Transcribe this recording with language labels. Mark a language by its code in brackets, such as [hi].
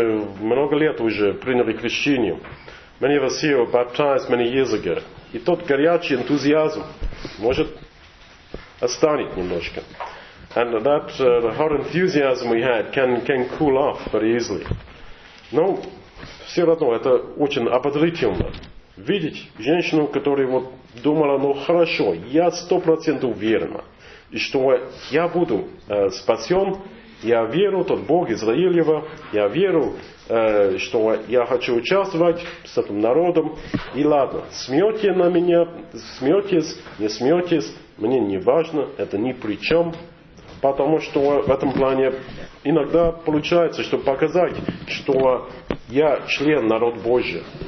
[ru] Мы уже много лет приняли крещение. [en] Many of us here were baptized many years ago. [ru] И тот горячий энтузиазм может останет немножко. [en] And that the hot enthusiasm we had can cool off very easily. [ru] Но все равно это очень ободрительно. Видеть женщину, которая вот думала, ну хорошо, я 100% уверена, и что я буду спасен, я верю в тот Бог Израилева, я верю, что я хочу участвовать с этим народом, и ладно, смеете на меня, смеетесь, не смеетесь, мне не важно, это ни при чем, потому что в этом плане иногда получается, чтобы показать, что я член народа Божия.